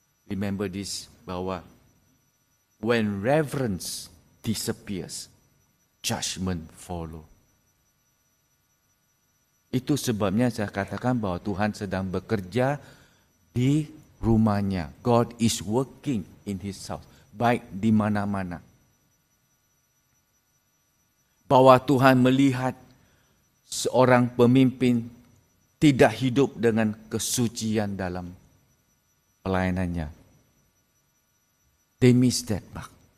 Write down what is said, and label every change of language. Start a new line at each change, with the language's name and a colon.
English: Remember this,
Indonesian: bahwa
English: when reverence disappears, judgment follow.
Indonesian: Itu sebabnya saya katakan bahwa Tuhan sedang bekerja di rumahnya.
English: God is working in his house,
Indonesian: baik di mana-mana. Bahwa Tuhan melihat seorang pemimpin tidak hidup dengan kesucian dalam pelayanannya.
English: They miss that mark.